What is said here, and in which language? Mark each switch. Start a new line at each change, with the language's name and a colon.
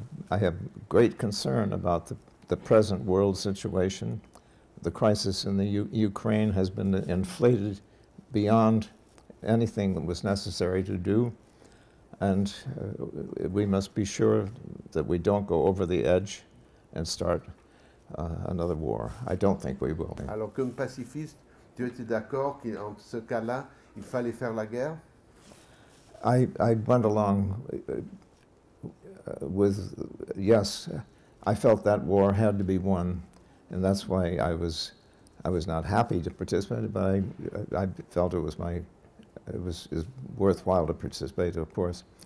English: I have great concern about the present world situation. The crisis in the Ukraine has been inflated beyond anything that was necessary to do, and we must be sure that we don't go over the edge and start another war. I don't think we will.
French: Alors comme pacifiste, tu étais d'accord qu'en ce cas-là, il fallait faire la guerre?
English: I went along with, yes, I felt that war had to be won, and that's why I was not happy to participate, but I felt it was worthwhile to participate, of course.